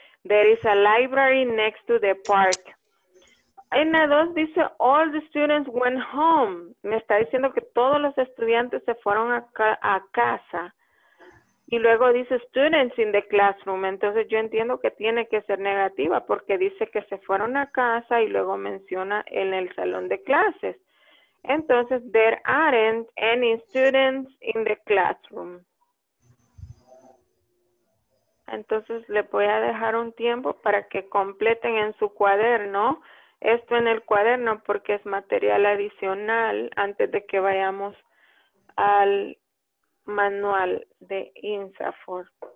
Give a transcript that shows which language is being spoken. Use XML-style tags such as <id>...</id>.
<en>There is a library next to the park.</en> <es>En la 2 dice</es> <en>all the students went home.</en> <es>Me está diciendo que todos los estudiantes se fueron a casa. Y luego dice</es> <en>students in the classroom.</en> <es>Entonces yo entiendo que tiene que ser negativa porque dice que se fueron a casa y luego menciona en el salón de clases.</es> <en>Entonces there aren't any students in the classroom.</en> <es>Entonces le voy a dejar un tiempo para que completen en su cuaderno. Esto en el cuaderno porque es material adicional antes de que vayamos al manual de INSAFOR.</es>